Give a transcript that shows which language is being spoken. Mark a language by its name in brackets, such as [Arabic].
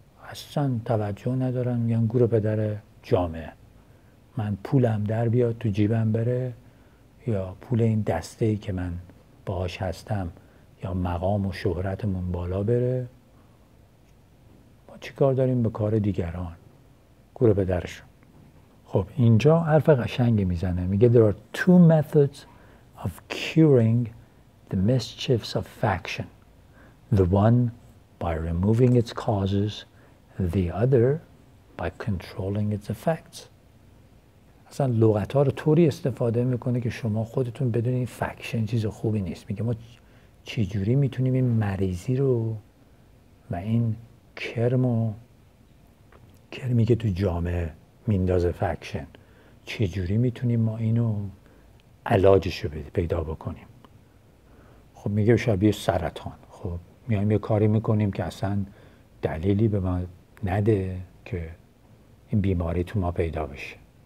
[Persian] اصلا توجه ندارن، میگن گور پدر جامعه، من پولم در بیاد تو جیبم بره یا پول این دسته ای که من باهاش هستم یا مقام و شهرتمون بالا بره، ما چی کار داریم به کار دیگران، گور پدرشون. خب اینجا حرف قشنگی میزنه، میگه [English] there are two methods of curing the mischiefs of faction, the one by removing its causes, the other by controlling its effects. [Persian] اصلا لغت ها رو طوری استفاده میکنه که شما خودتون بدونید فکشن چیز خوبی نیست. میگه ما چجوری میتونیم این مریضی رو و این کرم و کرمی که تو جامعه میندازه فکشن، چجوری میتونیم ما اینو علاجش رو پیدا بکنیم؟ خب میگه شبیه سرطان، خب میایم یه کاری میکنیم که اصلا دلیلی به ما نده که این بیماری تو ما پیدا بشه.